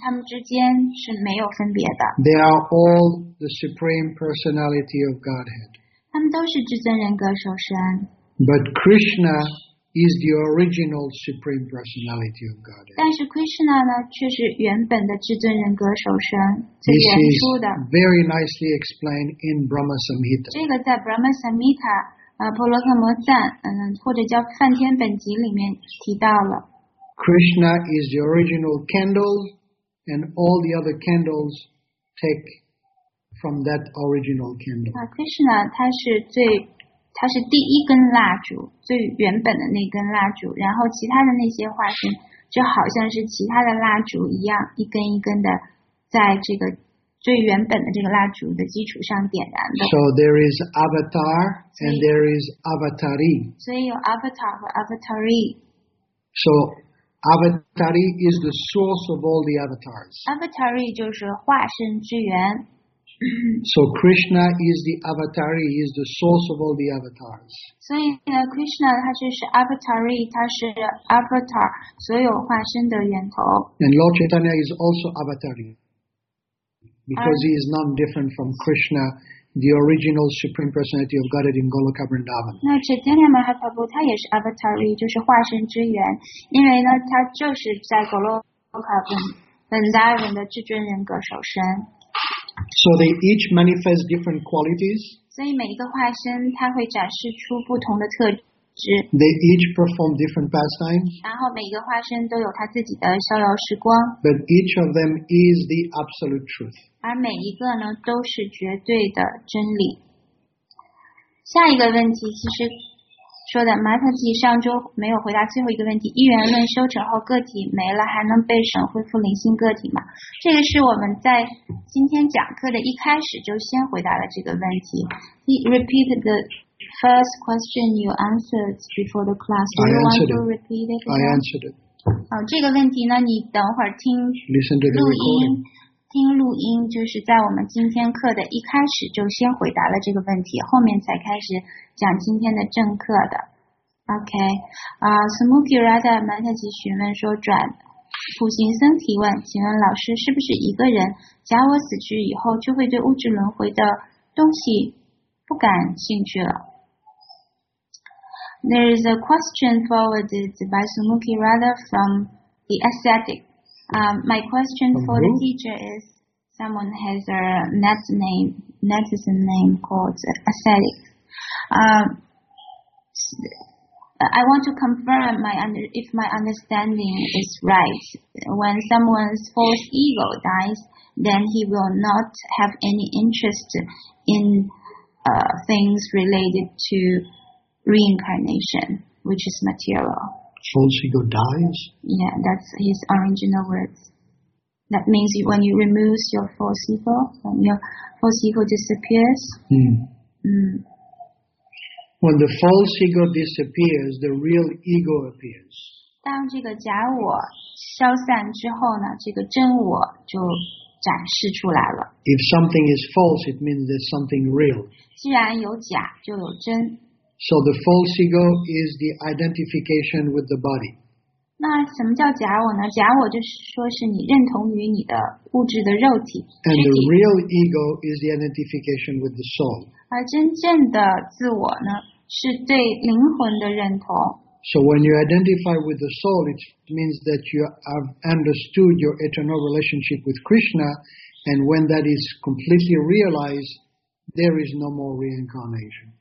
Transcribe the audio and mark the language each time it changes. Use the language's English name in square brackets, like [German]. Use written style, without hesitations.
[Chinese] 他们之间是没有分别的。 [English] They are all the Supreme Personality of Godhead. [Chinese] 他们都是至尊人格首身。 [English] But Krishna is the original Supreme Personality of Godhead. [Chinese] 但是 Krishna 呢，却是原本的至尊人格首身，最原初的。 [English] This is very nicely explained in Brahma Samhita. [Chinese] 这个在 Brahma Samhita。婆罗门摩赞，或者叫梵天本集里面提到了。 [English] Krishna is the original candle, and all the other candles take from that original candle. [Chinese] Krishna 他是第一根蜡烛，最原本的那根蜡烛，然后其他的那些化身就好像是其他的蜡烛一样，一根一根的在这个。最原本的这个蜡烛的基础上点燃的。 [English] So there is avatar and there is avatari. [Chinese] 所以有 avatar 和 avatari. [English] So Avatari is the source of all the avatars. [Chinese] Avatari 就是化身之源。 [English] So Krishna is the avatari, he is the source of all the avatars. [Chinese] 所以呢 ，Krishna 他就是 avatari， 他是 avatar， 所有化身的源头。 [English] And Lord Chaitanya is also avatari because he is none different from Krishna, the original supreme personality of Godhead in Goloka Vrindavan. [Chinese] 那 Chaitanya Mahaprabhu 他也是 avatari， 就是化身之源，因为呢，他就是在 Goloka Vrindavan 的至尊人格首身。 [English] So they each manifest different qualities. [Chinese] 所以每一个化身，它会展示出不同的特质。 [English] They each perform different pastimes. [Chinese] 然后每一个化身都有他自己的逍遥时光。 [English] But each of them is the absolute truth. [Chinese] 而每一个呢，都是绝对的真理。下一个问题其实说的 ，Mataji 上周没有回答最后一个问题：一元论修成后个体没了，还能被神恢复灵性个体吗？这个是我们在今天讲课的一开始就先回答了这个问题。 [English] He repeated the first question you answered before the class. Do you want to repeat it? I answered it. [Chinese] 哦，这个问题呢，你等会儿听录音，听录音就是在我们今天课的一开始就先回答了这个问题，后面才开始讲今天的正课的。 OK， 啊、，Smoky Rada Mataji 询问说转。普行僧提问，请问老师是不是一个人假我死去以后就会对物质轮回的东西不感兴趣了？ [English] There is a question forwarded by Smoky Rada from the ascetic. My question for the teacher is someone has a netizen name called ascetic. I want to confirm if my understanding is right. When someone's false ego dies, then he will not have any interest in things related to reincarnation, which is material. False ego dies? Yeah, that's his original words. That means when you remove your false ego, when your false ego disappears. When the false ego disappears, the real ego appears. [Chinese] 当这个假我消散之后呢，这个真我就展示出来了。 [English] If something is false, it means there's something real. [Chinese] 既然有假，就有真。 [English] So the false ego is the identification with the body. [Chinese] 那什么叫假我呢？假我就是说是你认同于你的物质的肉体。 [English] And the real ego is the identification with the soul. [Chinese] 而真正的自我呢？是对灵魂的认同。 [English] So when you identify with the soul, it means that you have understood your eternal relationship with Krishna, and when that is completely realized, there is no more reincarnation.